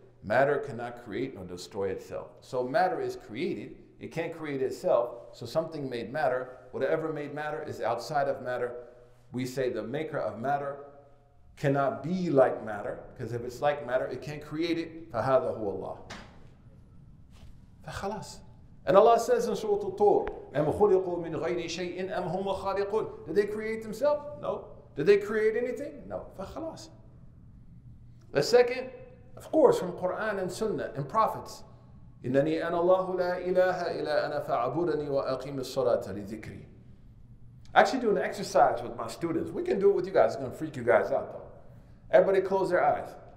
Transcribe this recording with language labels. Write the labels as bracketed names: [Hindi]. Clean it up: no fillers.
[English] Matter cannot create nor destroy itself. So matter is created. It can't create itself. So something made matter. Whatever made matter is outside of matter. We say the maker of matter cannot be like matter. Because if it's like matter, it can't create it. [Arabic] فَهَذَا هُوَ اللَّهُ فَخَلَاصٌ. [English] And Allah says in Surah Al-Tur, [Arabic] أَمْ خُلِقُوا مِنْ غَيْرِ شَيْءٍ أَمْ هُمْ خَالِقُونَ. [English] Did they create themselves? No. Did they create anything? No. [Arabic] فخلاص. [English] The second, of course, from Quran and Sunnah and prophets. [Arabic] إِنَّنِي أَنَا اللَّهُ لَا إِلَهَ إِلَّا أَنَا فَعَبُدَنِي وَأَقِيمِ الصَّلَاةَ لِذِكْرِي. [English] I actually do an exercise with my students. We can do it with you guys. It's going to freak you guys out, though. Everybody close their eyes.